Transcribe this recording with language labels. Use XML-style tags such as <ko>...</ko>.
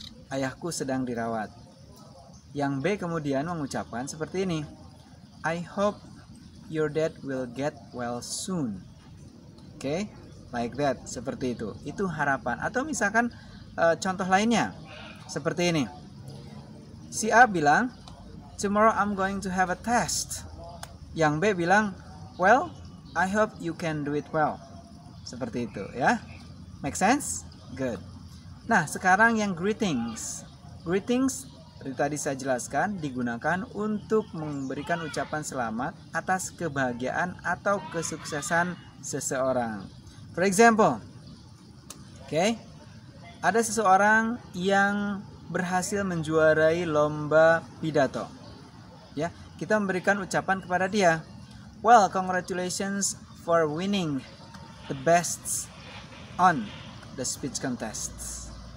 <id>Ayahku sedang dirawat. Yang B kemudian mengucapkan seperti ini,</id> <en>I hope your dad will get well soon. Okay, like that,</en> <id>seperti itu. Itu harapan. Atau misalkan contoh lainnya, seperti ini. Si A bilang,</id> <en>tomorrow I'm going to have a test.</en> <id>Yang B bilang,</id> <en>well, I hope you can do it well.</en> <id>Seperti itu, ya.</id> <en>Make sense? Good.</en> <id>Nah, sekarang yang greetings. Greetings, dari tadi saya jelaskan, digunakan untuk memberikan ucapan selamat atas kebahagiaan atau kesuksesan seseorang.</id> <en>For example, okay,</en> <id>ada seseorang yang berhasil menjuarai lomba pidato. Ya, kita memberikan ucapan kepada dia.</id> <en>Well, congratulations for winning the best on the speech contest.</en>